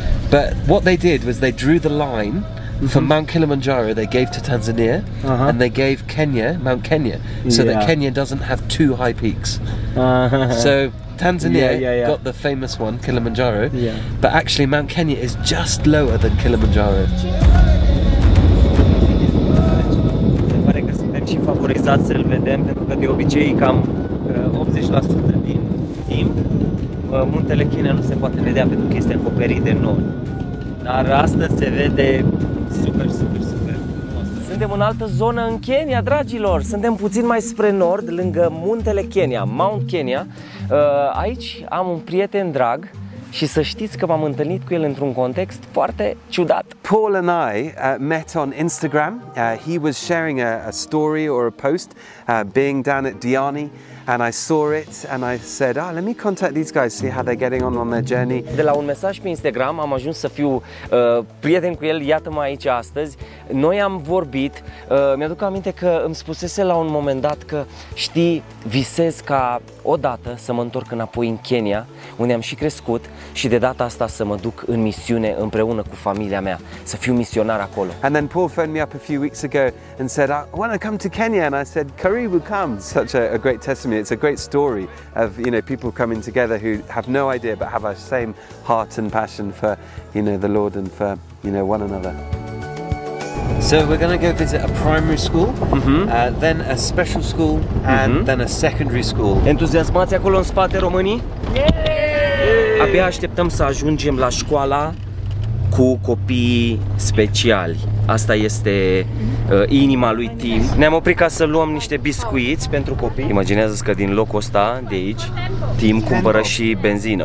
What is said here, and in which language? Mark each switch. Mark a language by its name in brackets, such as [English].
[English] But what they did was they drew the line from Mount Kilimanjaro, they gave to Tanzania, and they gave Kenya, Mount Kenya, so that Kenya doesn't have two high peaks. So Tanzania got the famous one, Kilimanjaro. Yeah. But actually Mount Kenya is just lower than Kilimanjaro. [Romanian] Favorizat să-l vedem, pentru că de obicei cam 80% din timp muntele Kenya nu se poate vedea pentru că este acoperit de nori. Dar astăzi se vede super, super, super. Suntem în altă zonă în Kenya, dragilor! Suntem puțin mai spre nord, lângă muntele Kenya, Mount Kenya. Aici am un prieten drag și să știți că m-am întâlnit cu el într-un context foarte ciudat. [English] Paul and I met on Instagram. He was sharing a story or a post being down at Diani, and I saw it and I said, "Ah, let me contact these guys, see how they're getting on their journey." [Romanian] De la un mesaj pe Instagram am ajuns să fiu prieten cu el, iată-mă aici astăzi. Noi am vorbit, mi-aduc aminte că îmi spusese la un moment dat că, știi, visez ca odată să mă întorc înapoi în Kenya, unde am și crescut, și de data asta să mă duc în misiune împreună cu familia mea, să fiu misionar acolo. [English] And then Paul phoned me up a few weeks ago and said, "I want to come to Kenya," and I said, "Karibu, come." Such a great testimony. It's a great story of, you know, people coming together who have no idea but have a same heart and passion for, you know, the Lord and for, you know, one another. So we're going to go visit a primary school, then a special school, and then a secondary school. [Romanian] Entuziasmați acolo în spate, românii? [English] Yeah! [Romanian] Abia așteptăm să ajungem la școala cu copii speciali. Asta este inima lui Tim. Ne-am oprit ca să luăm niște biscuiți pentru copii. Imaginează-ți că din locul ăsta, de aici, Tim cumpără și benzină.